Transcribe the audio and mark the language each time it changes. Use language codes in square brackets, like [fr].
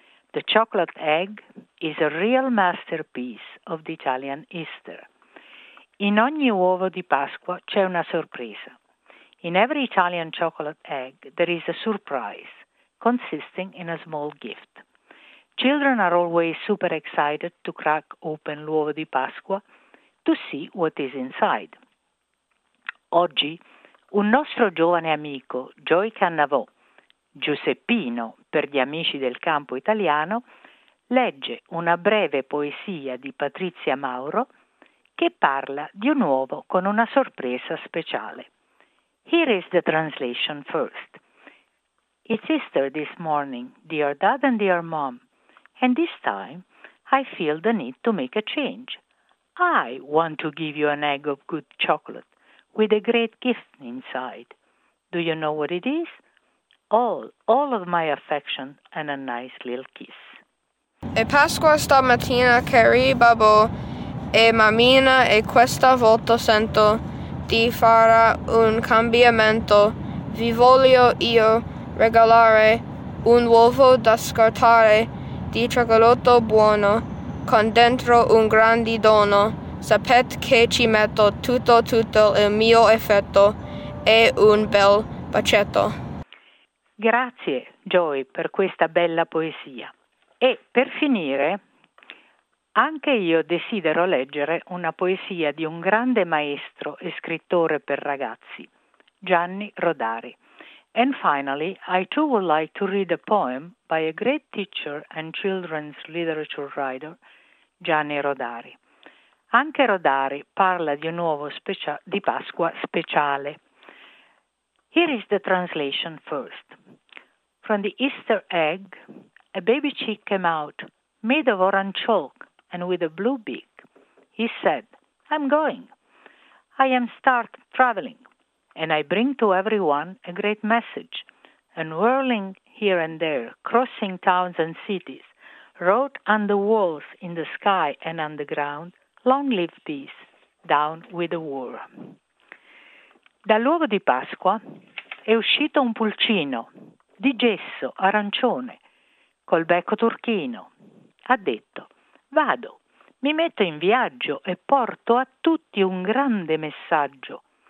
[en] The chocolate egg is a real masterpiece of the Italian Easter. [it] In ogni uovo di Pasqua c'è una sorpresa. [en] In every Italian chocolate egg, there is a surprise consisting in a small gift. Children are always super excited to crack open [it] l'uovo di Pasqua [en] to see what is inside. [it] Oggi, un nostro giovane amico, Joey Cannavò, Giuseppino per gli amici del campo italiano, legge una breve poesia di Patrizia Mauro che parla di un uovo con una sorpresa speciale. [en] Here is the translation first. It's Easter this morning, dear Dad and dear Mom, and this time I feel the need to make a change. I want to give you an egg of good chocolate with a great gift inside. Do you know what it is? All of my affection and a nice little kiss. [it] E Pasqua stamattina, cari babbo e mammina, e questa volta sento di fare un cambiamento. Vi voglio io regalare un uovo da scartare di cioccolato buono con dentro un grande dono. Sapete che ci metto tutto il mio effetto e un bel bacetto. Grazie, Joy, per questa bella poesia. E per finire, anche io desidero leggere una poesia di un grande maestro e scrittore per ragazzi, Gianni Rodari. [en] And finally, I too would like to read a poem by a great teacher and children's literature writer, Gianni Rodari. [it] Anche Rodari parla di un uovo di Pasqua speciale. [en] Here is the translation first. From the Easter egg, a baby chick came out, made of orange chalk and with a blue beak. He said, I'm going. I am start traveling, and I bring to everyone a great message. And whirling here and there, crossing towns and cities, wrote on the walls, in the sky and on the ground, long live peace, down with the war. [it] Dall'uovo di Pasqua è uscito un pulcino di gesso arancione col becco turchino. Ha detto, vado, mi metto in viaggio e porto a tutti un grande messaggio.